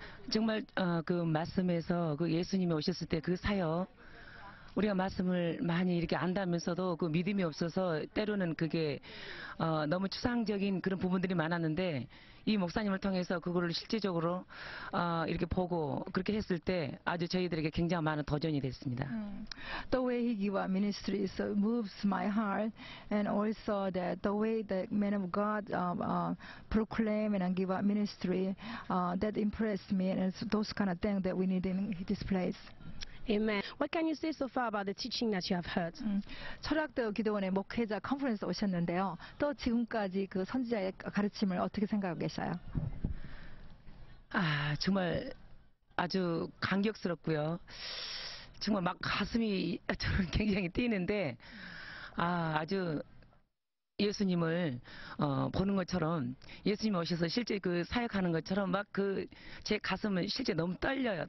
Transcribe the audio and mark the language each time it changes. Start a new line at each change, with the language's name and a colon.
Korean: 정말 그 말씀에서 그 예수님이 오셨을 때 그 사역 우리가 말씀을 많이 이렇게 안다면서도 그 믿음이 없어서 때로는 그게 너무 추상적인 그런 부분들이 많았는데 이 목사님을 통해서 그거를 실제적으로 이렇게 보고 그렇게 했을 때 아주 저희들에게 굉장히 많은 도전이 됐습니다.
English: The way he gives our ministry so moves my heart and also that the way the man of God proclaim and give our ministry that impressed me and it's those kind of things that we need in this place. Amen. What can you say so far about the teaching that you have heard?
Korean: 철학도 기도원의 목회자 컨퍼런스 오셨는데요. 또 지금까지 그 선지자의 가르침을 어떻게 생각하고 계세요? 정말 아주 감격스럽고요. 정말 막 가슴이 굉장히 뛰는데 아주 예수님을 보는 것처럼 예수님 오셔서 실제 그 사역하는 것처럼 막 그 제 가슴은 실제 너무 떨려요.